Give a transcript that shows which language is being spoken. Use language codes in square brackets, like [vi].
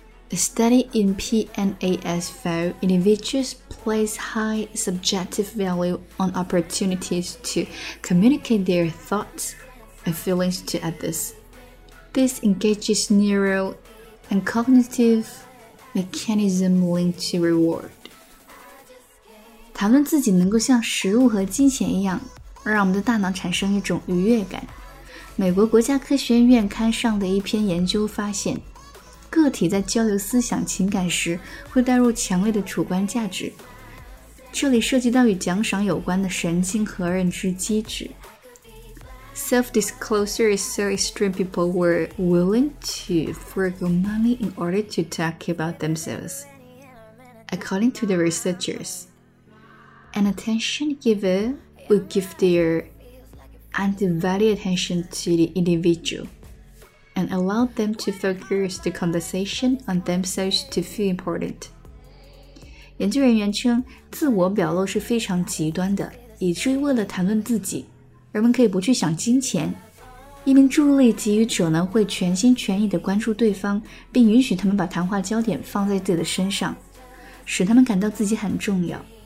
[en] A study in PNAS found individuals place high subjective value on opportunities to communicate their thoughts and feelings to others. This engages neural and cognitive mechanism linked to reward. [zh] 谈论自己能够像食物和金钱一样，让我们的大脑产生一种愉悦感。美国国家科学院刊上的一篇研究发现，个体在交流思想情感时会带入强烈的主观价值，这里涉及到与奖赏有关的神经和认知机制。 [en] Self-disclosure is so extreme people were willing to forego money in order to talk about themselves. According to the researchers, an attention giver would give their undivided attention to the individualand allow them to focus the conversation on themselves to feel important. [zh] 研究人员称，自我表露是非常极端的，以至于为了谈论自己，人们可以不去想金钱。一名注意力给予者呢，会全心全意地关注对方，并允许他们把谈话焦点放在自己的身上，使他们感到自己很重要。